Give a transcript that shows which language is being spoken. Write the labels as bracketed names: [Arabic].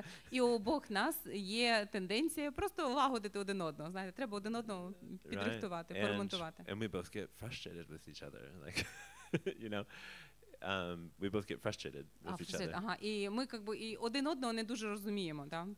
[Ukrainian] І у обох нас є тенденція просто лагодити один одного, знаєте, треба один одного підрихтувати, поремонтувати. [English] And we both get frustrated with each other, like, you know. We both get frustrated with each other. [Ukrainian] Ага, і ми і один одного не дуже розуміємо, так?